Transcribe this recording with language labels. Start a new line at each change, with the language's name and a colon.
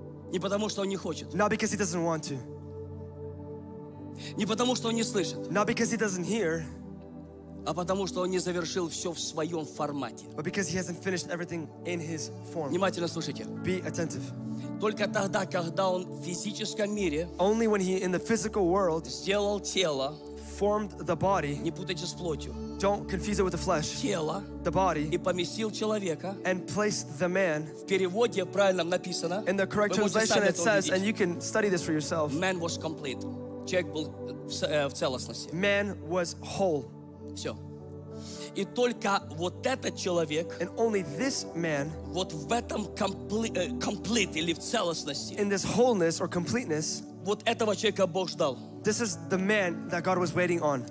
Russian: Не потому, что он не хочет.
English: Not because he doesn't want to.
Russian: Не потому, что он не слышит.
English: Not because he doesn't hear.
Russian: А потому, что он не завершил все в своем формате.
English: But because he hasn't finished everything in his form.
Russian: Внимательно слушайте.
English: Be attentive.
Russian: Только тогда, когда он в физическом мире
English: only when he in the physical world
Russian: сделал тело
English: formed the body.
Russian: Не путайте с плотью.
English: Don't confuse it with the flesh.
Russian: Тело,
English: the body.
Russian: И поместил человека,
English: and placed the man.
Russian: В переводе правильном написано,
English: in the correct translation it says, and you can study this for yourself. Man was complete.
Russian: Человек был в целостности.
English: Man was whole.
Russian: Все. И только вот этот человек,
English: and only this man,
Russian: вот в этом complete или в целостности,
English: in this wholeness or completeness,
Russian: вот этого человека Бог ждал.
English: This is the man that God was waiting on.